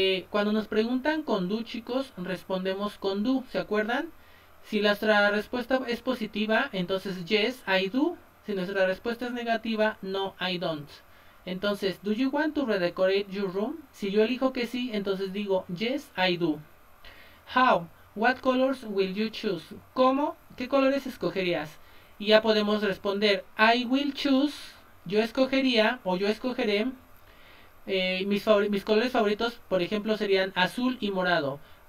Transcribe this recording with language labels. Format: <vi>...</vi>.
<es>Cuando nos preguntan con do, chicos, respondemos con do, ¿se acuerdan? Si nuestra respuesta es positiva, entonces</es> <en>yes, I do.</en> <es>Si nuestra respuesta es negativa,</es> <en>no, I don't. Entonces, do you want to redecorate your room?</en> <es>Si yo elijo que sí, entonces digo</es> <en>yes, I do. How? What colors will you choose?</en> <es>¿Cómo? ¿Qué colores escogerías? Y ya podemos responder,</es> <en>I will choose,</en> <es>yo escogería o yo escogeré. Mis colores favoritos, por ejemplo, serían azul y morado.</es>